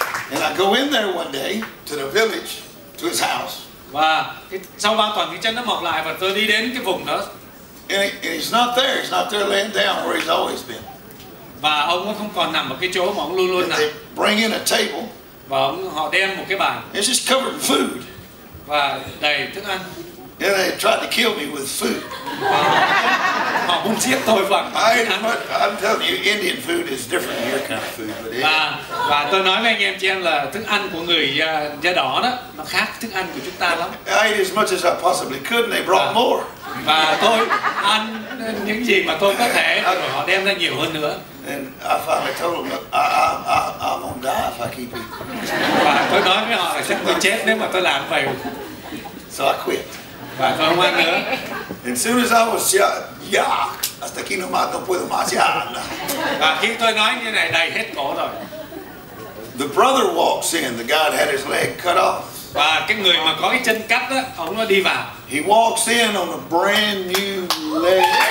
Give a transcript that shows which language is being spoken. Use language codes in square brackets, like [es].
[en] And I go in there one day to the village. To his house. [vi] Và sau 3 tuần thì chân nó mọc lại và tôi đi đến cái vùng đó. [en] And he's not there. He's not there laying down where he's always been. [vi] Và ông không còn nằm ở cái chỗ mà ông luôn luôn nằm. [en] They bring in a table. [vi] Và họ đem một cái bàn. [en] It's just covered with food. [vi] Và đầy thức ăn. [en] Yeah, they tried to kill me with food. [vi] Họ muốn giết tôi bằng [en] I'm telling you, Indian food is different than your kind of food. But [vi] và tôi nói với anh em chị em là thức ăn của người da đỏ đó nó khác thức ăn của chúng ta lắm. [en] I ate as much as I possibly could, and they brought more. [vi] Và tôi ăn những gì mà tôi có thể, họ đem ra nhiều hơn nữa. [en] And I finally told them, I'm gonna die if I keep eating. [vi] Và tôi nói với họ là chắc tôi chết nếu mà tôi làm vậy. [en] So I quit. [vi] Và tôi không ăn nữa. [en] And soon as I was [es] hasta aquí no más, no puedo más ya. [vi] Và khi tôi nói như này, đầy hết cổ rồi. [en] The brother walks in. The guy had his leg cut off. [vi] Và cái người mà có cái chân cắt đó, ông nó đi vào. [en] He walks in on a brand new leg.